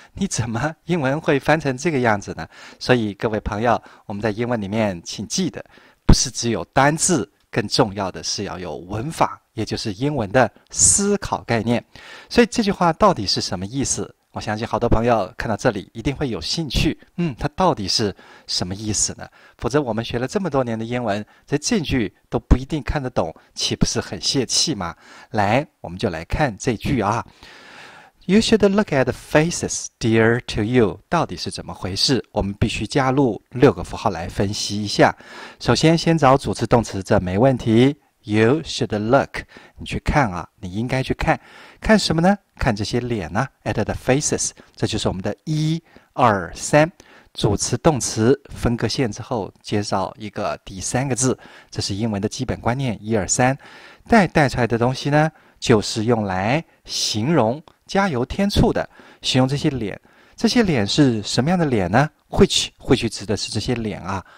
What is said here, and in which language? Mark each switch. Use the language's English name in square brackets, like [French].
[Chinese] 你怎么英文会翻成这个样子呢？所以各位朋友，我们在英文里面请记得，不是只有单字，更重要的是要有文法，也就是英文的思考概念。所以这句话到底是什么意思？我相信好多朋友看到这里一定会有兴趣，它到底是什么意思呢？否则我们学了这么多年的英文，这这句都不一定看得懂，岂不是很泄气吗？来，我们就来看这句啊。 [English] You should look at the faces dear to you. [Chinese] 到底是怎么回事？我们必须加入六个符号来分析一下。首先，先找主词动词，这没问题。 [English] You should look. [Chinese] 你去看啊，你应该去看。看什么呢？看这些脸呢、 [English] at the faces. [Chinese] 这就是我们的一、二、三。主词动词分割线之后，介绍一个第三个字。这是英文的基本观念，一、二、三。带出来的东西呢，就是用来形容加油添醋的，形容这些脸。这些脸是什么样的脸呢？which 指的是这些脸啊。